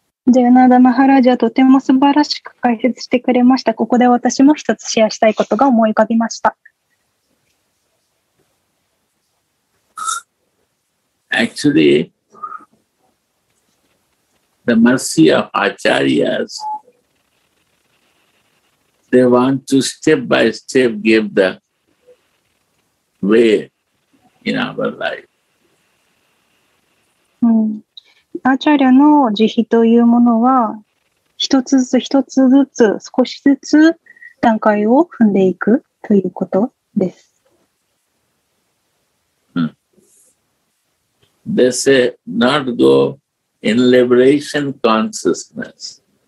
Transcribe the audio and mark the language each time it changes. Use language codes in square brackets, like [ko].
[ja] ジェガナダ・マハラージャはとても素晴らしく解説してくれました。ここで私も一つシェアしたいことが思い浮かびました。 [en] Actually, the mercy of Acharyas, they want to step by step give the way in our life. [ja] アーチャリアの慈悲というものは一つずつ一つずつ少しずつ段階を踏んでいくということです。 [en] They say not go in liberation consciousness.